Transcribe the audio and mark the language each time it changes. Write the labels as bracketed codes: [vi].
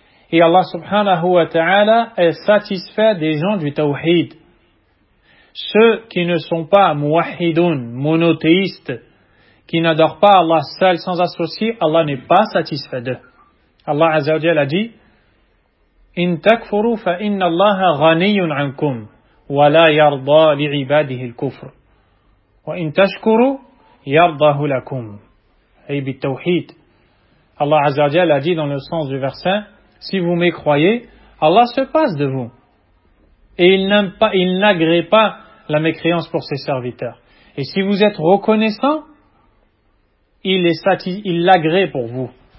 [fr] Et Allah subhanahu wa ta'ala est satisfait des gens du tawhid. Ceux qui ne sont pas muwahidun, monothéistes, qui n'adorent pas Allah seul sans associé, Allah n'est pas satisfait d'eux. Allah Azza wa Jal a dit, [ar] إن تكفروا فإن الله غني عنكم ولا يرضى لعباده الكفر وإن تشكروا يرضاه لكم. أي بالتوحيد. [fr] الله عز وجل a dit dans le sens du verset, si vous me croyez, Allah se passe de vous. Et il n'agrée pas la mécréance pour ses serviteurs. Et si vous êtes reconnaissant, il l'agrée pour vous.